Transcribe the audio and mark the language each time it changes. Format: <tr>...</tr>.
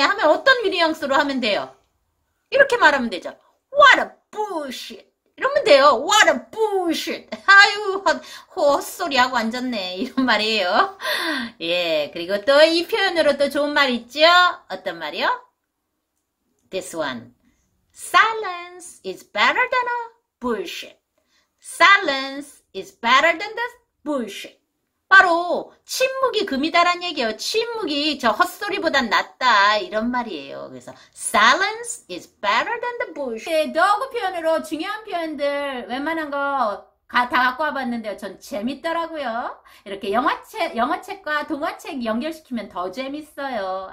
<ko>하면 어떤 뉘앙스로 하면 돼요? 이렇게 말하면 되죠.</ko> <en>What a bullshit!</en> <ko>이러면 돼요.</ko> <en>What a bullshit!</en> <ko>아유, 헛소리하고 앉았네. 이런 말이에요. 예, 그리고 또이 표현으로 또 좋은 말 있죠? 어떤 말이요?</ko> <en>This one. Silence is better than a bullshit. Silence is better than the bullshit.</en> <ko>바로 침묵이 금이다란 얘기예요. 침묵이 저 헛소리보단 낫다 이런 말이에요. 그래서</ko> <en>silence is better than the bullshit.</en> <ko>네, dog 표현으로 중요한 표현들 웬만한 거다 갖고 와봤는데요. 전 재밌더라고요. 이렇게 영어책과 동화책 연결시키면 더 재밌어요.</ko>